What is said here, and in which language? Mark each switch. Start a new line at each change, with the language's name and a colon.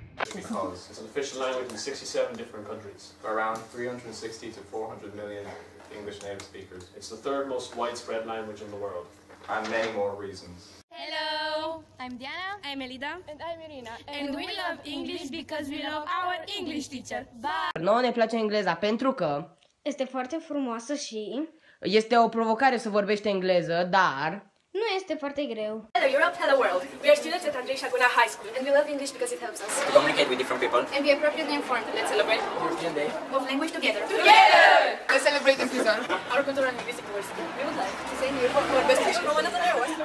English: Because it's an official language in 67 different countries. There are around 360 to 400 million English native speakers. It's the third most widespread language in the world. And many more reasons. Hello! I'm Diana. I'm Elida. And I'm Irina. And we love English because we love our English teacher. Bye!
Romanian: Noi ne place engleza pentru că... este foarte frumoasă și... este o provocare să vorbești engleză, dar... nu este foarte greu.
English: Hello Europe, hello world. We are students at Andrei Shaguna High School and we love English because it helps us to communicate with different people and be appropriately informed. Let's celebrate European Day of Language together. Together! Let's celebrate in prison. Our cultural linguistic diversity. We would like to thank you for our best wish for one of our awards.